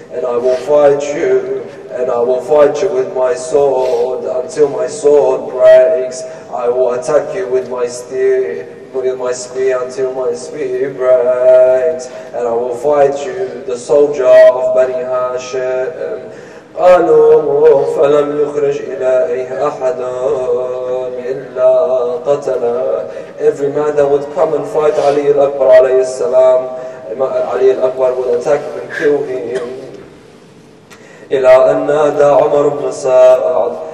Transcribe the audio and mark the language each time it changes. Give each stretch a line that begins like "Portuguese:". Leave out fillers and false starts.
English: And I will fight you, and I will fight you with my sword until my sword breaks. I will attack you with my spear, until my spear breaks. And I will fight you, the soldier of Bani Hashim.
Arabic: قالوا فلم يخرج إليه أحد إلا قتل.
English: Every man that would come and fight Ali al-Akbar alayhi salam, Ali al-Akbar would attack him and kill him.
Arabic: إلى أن نادى عمر بن سعد